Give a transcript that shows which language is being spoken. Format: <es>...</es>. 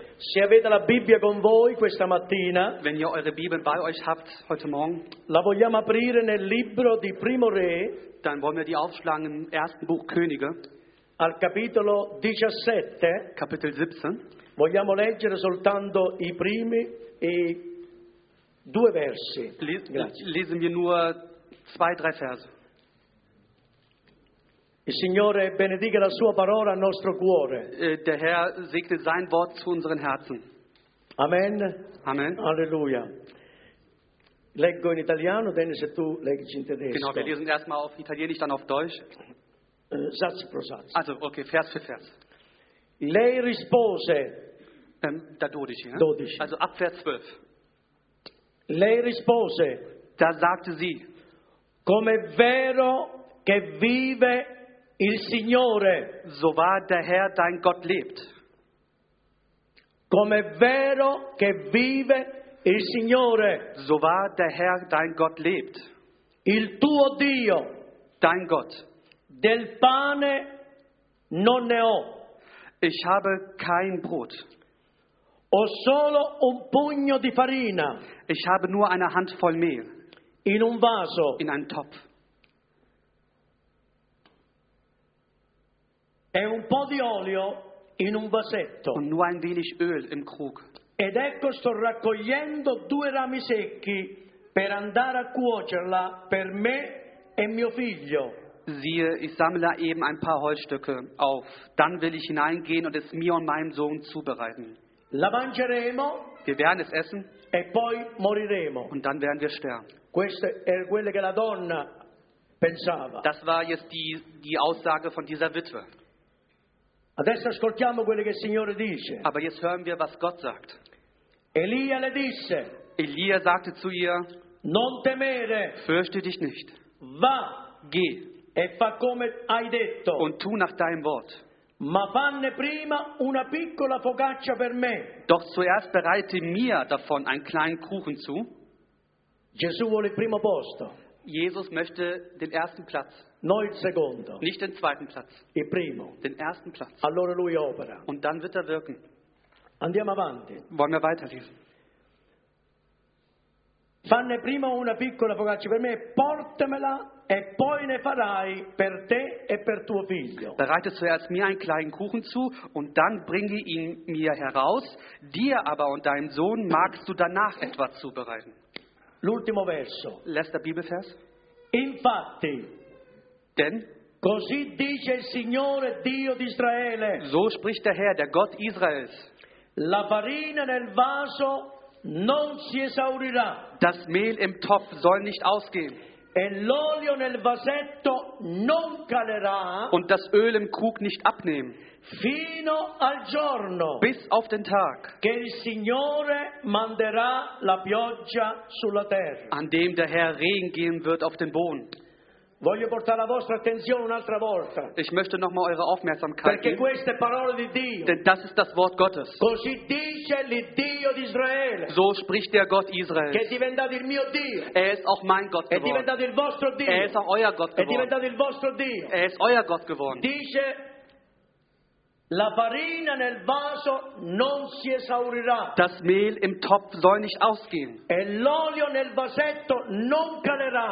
<it>Se avete la Bibbia con voi questa mattina,</it> <de>wenn ihr eure Bibel bei euch habt heute Morgen,</de> <it>la vogliamo aprire nel libro di Primo Re,</it> <de>dann wollen wir die aufschlagen im ersten Buch Könige,</de> <it>al capitolo 17,</it> <de>Kapitel 17,</de> <it>vogliamo leggere soltanto i primi e due versi.</it> <de>Lesen wir nur zwei, drei Verse.</de> <it>Il Signore benedica la sua parola al nostro cuore.</it> <de>Der Herr segne sein Wort zu unseren Herzen. Amen. Amen. Alleluia.</de> <it>Leggo in italiano, Dennis, se tu leggi in tedesco.</it> <de>Genau, wir lesen erstmal auf Italienisch, dann auf Deutsch. Satz pro Satz. Also, okay, Vers für Vers.</de> <it>Lei rispose.</it> <de>Da 12, ne? 12. Also ab Vers 12.</de> <it>Lei rispose.</it> <de>Da sagte sie.</de> <it>Come vero che vive il Signore,</it> <de>so wahr der Herr dein Gott lebt.</de> <it>Come vero che vive il Signore,</it> <de>so wahr der Herr dein Gott lebt.</de> <it>Il tuo Dio,</it> <de>dein Gott,</de> <it>del pane non ne ho.</it> <de>Ich habe kein Brot.</de> <it>Ho solo un pugno di farina.</it> <de>Ich habe nur eine Handvoll Mehl.</de> <it>In un vaso.</it> <de>In einem Topf.</de> <it>E un po' di olio in un vasetto.</it> <de>Und nur ein wenig Öl im Krug.</de> <it>Ed ecco sto raccogliendo due rami secchi per andare a cuocerla per me e mio figlio.</it> <de>Siehe, ich sammle eben ein paar Holzstücke auf. Dann will ich hineingehen und es mir und meinem Sohn zubereiten.</de> <it>La mangeremo.</it> <de>Wir werden es essen.</de> <it>E poi moriremo.</it> <de>Und dann werden wir sterben.</de> <it>Questo è quello che la donna pensava.</it> <de>Das war jetzt die Aussage von dieser Witwe.</de> <it>Adesso ascoltiamo quello che il Signore dice.</it> <de>Aber jetzt hören wir, was Gott sagt.</de> <it>Elia le disse.</it> <de>Elia sagte zu ihr.</de> <it>Non temere.</it> <de>Fürchte dich nicht.</de> <it>Va.</it> <de>Geh.</de> <it>E fa come hai detto.</it> <de>Und tu nach deinem Wort.</de> <it>Ma fanne prima una piccola focaccia per me.</it> <de>Doch zuerst bereite mir davon einen kleinen Kuchen zu.</de> <it>Gesù vuole il primo posto.</it> <de>Jesus möchte den ersten Platz.</de> <it>Noi il secondo.</it> <de>Nicht den zweiten Platz.</de> <it>Il primo.</it> <de>Den ersten Platz.</de> <it>Allora lui opera.</it> <de>Und dann wird wirken.</de> <it>Andiamo avanti.</it> <de>Wollen wir weiterlesen.</de> <it>Fanne prima una piccola focaccia per me, portamela e poi ne farai per te e per tuo figlio.</it> <de>Bereite zuerst mir einen kleinen Kuchen zu und dann bringe ihn mir heraus. Dir aber und deinem Sohn magst du danach etwas zubereiten.</de> <it>L'ultimo verso.</it> <de>Letzter Bibelvers.</de> <it>Infatti.</it> <de>Denn.</de> <it>Così dice il Signore Dio di Israele.</it> <de>So spricht der Herr, der Gott Israels.</de> <it>La farina nel vaso non si esaurirà.</it> <de>Das Mehl im Topf soll nicht ausgehen.</de> <it>E l'olio nel vasetto non calerà.</it> <de>Und das Öl im Krug nicht abnehmen.</de> <it>Fino al giorno.</it> <de>Bis auf den Tag.</de> <it>Che il Signore manderà la pioggia sulla terra.</it> <de>An dem der Herr Regen geben wird auf den Boden.</de> <it>Voglio portare la vostra attenzione un'altra volta.</it> <de>Ich möchte nochmal eure Aufmerksamkeit.</de> <it>Perché questa è parola di Dio.</it> <de>Denn das ist das Wort Gottes.</de> <it>Così dice l'Iddio di Israele.</it> <de>So spricht der Gott Israel.</de> <it>Che è diventato il mio Dio.</it> <de>Er ist auch mein Gott geworden.</de> <it>È diventato il vostro Dio.</it> <de>Er ist auch euer Gott geworden.</de> <it>È diventato il vostro Dio.</it> <de>Er ist euer Gott geworden.</de> <it>Dice la farina nel vaso non si esaurirà.</it> <de>Das Mehl im Topf soll nicht ausgehen.</de> <it>E l'olio nel vasetto non calerà.</it>